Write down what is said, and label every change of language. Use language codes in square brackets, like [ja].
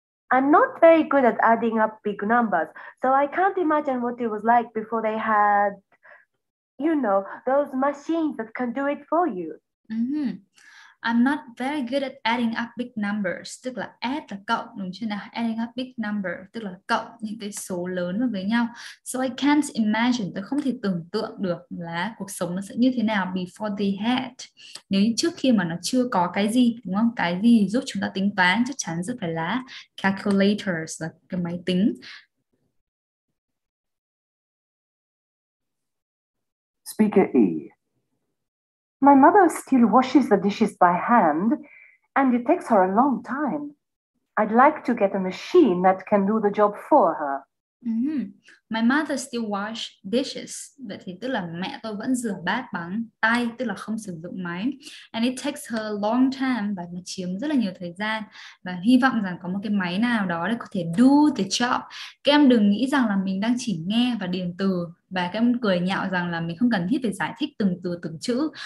[en] I'm not very good at adding up big numbers, so I can't imagine what it was like before they had, you know, those machines that can do it for you. Mm-hmm. I'm not very good at adding up big numbers, [vi] tức là add là cộng, đúng chưa nào? [en] Adding up big number, [vi] tức là cộng những cái số lớn vào với nhau. [en] So I can't imagine, [vi] tôi không thể tưởng tượng được là cuộc sống nó sẽ như thế nào [en] before they had. [vi] Nếu trước khi mà nó chưa có cái gì, đúng không? Cái gì giúp chúng ta tính toán chắc chắn rất phải là calculators, là cái máy tính. [en] Speaker E. My mother still washes the dishes by hand, and it takes her a long time. I'd like to get a machine that can do the job for her. Mm-hmm. My mother still wash dishes. [vi] Vậy thì tức là mẹ tôi vẫn rửa bát bằng tay, tức là không sử dụng máy. [en] And it takes her a long time, [vi] và nó chiếm rất là nhiều thời gian. Và hy vọng rằng có một cái máy nào đó để có thể [en] do the job. [vi] Các em đừng nghĩ rằng là mình đang chỉ nghe và điền từ, và các em cười nhạo rằng là mình không cần thiết phải giải thích từng từ từng chữ.